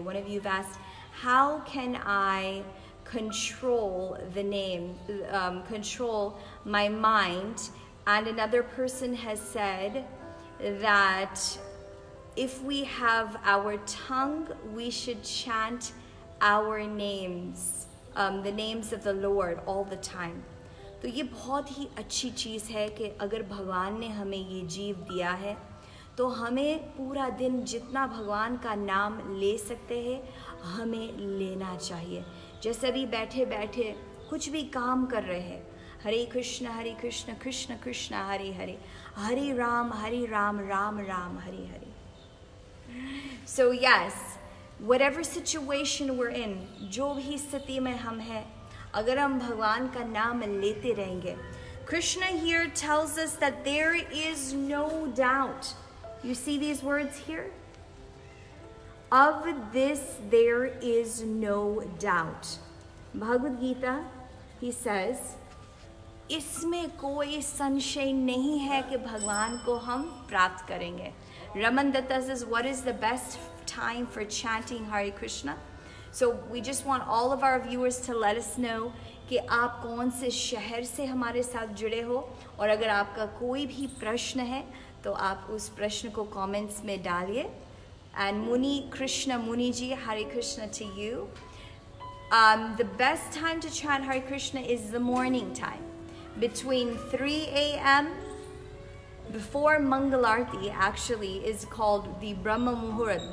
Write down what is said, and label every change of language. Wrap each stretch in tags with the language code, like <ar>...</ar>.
<en>One of you have asked, how can I control the name, control my mind? And another person has said that if we have our tongue, we should chant our names, the names of the Lord all the time.</en> <hi>तो ये बहुत ही अच्छी चीज़ है कि अगर भगवान ने हमें ये जीव दिया है तो हमें पूरा दिन जितना भगवान का नाम ले सकते हैं हमें लेना चाहिए. जैसे अभी बैठे बैठे कुछ भी काम कर रहे हैं, हरे कृष्ण कृष्ण कृष्ण हरे हरे, हरे Ram Ram Ram Hare Hare.</hi> <en>So yes, whatever situation we're in,</en> <hi>जो भी स्थिति में हम हैं, अगर हम भगवान का नाम लेते रहेंगे.</hi> <en>Krishna here tells us that there is no doubt. You see these words here? Of this there is no doubt. Bhagavad Gita, he says,</en> <hi>इसमें कोई संशय नहीं है कि भगवान को हम प्राप्त करेंगे.</hi> <en>Raman Datta says, what is the best time for chanting Hare Krishna? So we just want all of our viewers to let us know</en> <hi>कि आप कौन से शहर से हमारे साथ जुड़े हो, और अगर आपका कोई भी प्रश्न है तो आप उस प्रश्न को कमेंट्स में डालिए.</hi> <en>And Muni Krishna Muni ji, Hare Krishna to you. The best time to chant Hare Krishna is the morning time, between 3 a.m. before Mangalarti, actually is called the Brahma Muhurat.</en>